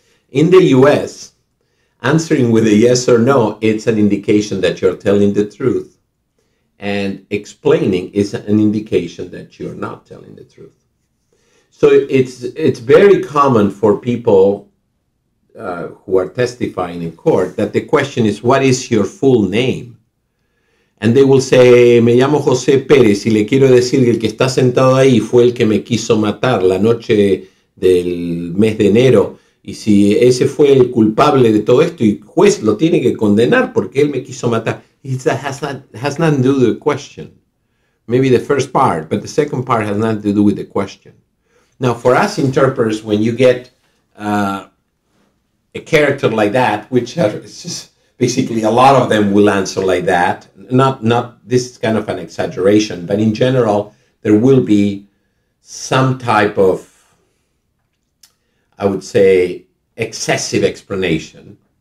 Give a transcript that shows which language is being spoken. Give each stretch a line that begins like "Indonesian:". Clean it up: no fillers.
English: In the US, answering with a yes or no, it's an indication that you're telling the truth. And explaining is an indication that you're not telling the truth. So it's very common for people who are testifying in court that the question is, what is your full name? And they will say,
Spanish: me llamo José Pérez, y le quiero decir que el que está sentado ahí fue el que me quiso matar la noche del mes de enero. Y si ese fue el culpable de todo esto, y juez lo tiene que condenar porque él me quiso matar.
English: It has nothing to do with the question. Maybe the first part, but the second part has nothing to do with the question. Now, for us interpreters, when you get a character like that, which is just basically a lot of them will answer like that, not this is kind of an exaggeration, but in general, there will be some type of, I would say, excessive explanation.